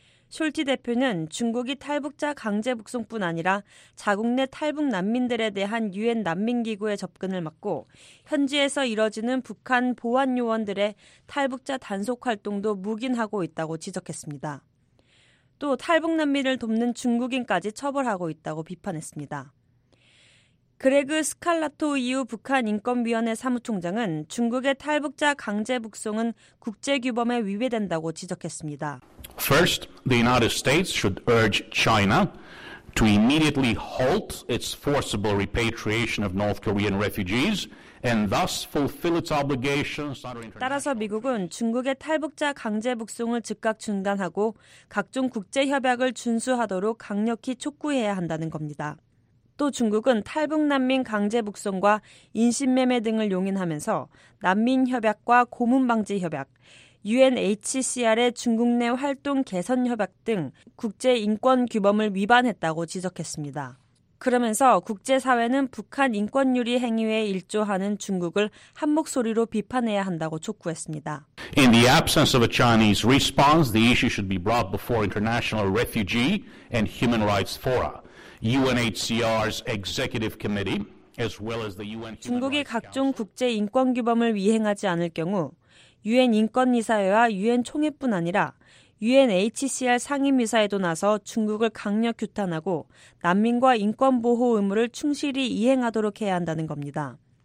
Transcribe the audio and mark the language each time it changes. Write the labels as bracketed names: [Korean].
[Korean] 숄티 대표는 중국이 탈북자 강제 북송뿐 아니라 자국 내 탈북 난민들에 대한 유엔 난민기구의 접근을 막고 현지에서 이뤄지는 북한 보안 요원들의 탈북자 단속 활동도 묵인하고 있다고 지적했습니다. 또 탈북 난민을 돕는 중국인까지 처벌하고 있다고 비판했습니다. 그레그 스칼라토 이후 북한인권위원회 사무총장은 중국의 탈북자 강제 북송은 국제규범에 위배된다고 지적했습니다. [English] First, the United States should urge China to immediately halt its forcible repatriation of North Korean refugees and thus fulfill its obligations under international [Korean] 따라서 미국은 중국의 탈북자 강제 북송을 즉각 중단하고 각종 국제협약을 준수하도록 강력히 촉구해야 한다는 겁니다. 또 중국은 탈북 난민 강제 북송과 인신매매 등을 용인하면서 난민 협약과 고문 방지 협약, UNHCR의 중국 내 활동 개선 협약 등 국제 인권 규범을 위반했다고 지적했습니다. 그러면서 국제사회는 북한 인권 유리 행위에 일조하는 중국을 한 목소리로 비판해야 한다고 촉구했습니다. [English] In the absence of a Chinese response, the issue should be brought before international refugee and human rights fora. UNHCR's executive committee, as well as the UN. [Korean] 중국이 각종 국제 인권 규범을 위행하지 않을 경우, UN 인권 이사회와 UN 총회뿐 아니라 UNHCR 상임이사회도 나서 중국을 강력 규탄하고 난민과 인권 보호 의무를 충실히 이행하도록 해야 한다는 겁니다.